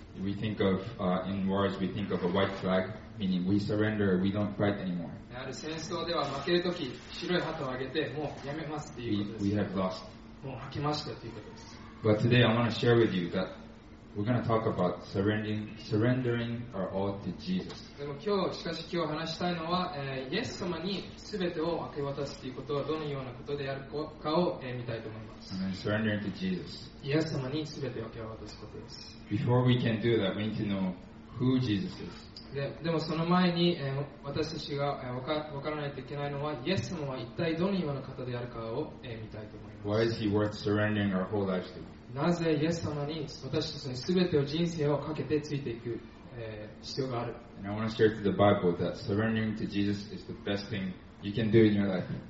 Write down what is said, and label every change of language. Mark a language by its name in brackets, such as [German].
[English] We think of in wars, we think of a white flag, meaning we surrender, we don't fight anymore. [Japanese] ある戦争では負ける時、白い旗を挙げて、もうやめますっていうことです。 [English] We have lost. [Japanese] もう負けましたということです。 [English] But today I want to share with you that. We're going to talk about surrendering our all to Jesus. [Japanese] でも今日、しかし今日話したいのは、イエス様に全てを明け渡すということはどのようなことであるかを見たいと思います。 [English] Surrendering to Jesus. [Japanese] イエス様に全てを明け渡すことです。 [English] Before we can do that, we need to know who Jesus is. [Japanese] でもその前に、私たちが分からないといけないのは、イエス様は一体どのような方であるかを見たいと思います。 [English] Why is he worth surrendering our whole lives to? [Japanese] なぜイエス様に私たちの全てを人生をかけてついていく必要がある。 [English] And I want to share to the Bible that surrendering to Jesus is the best thing you can do in your life.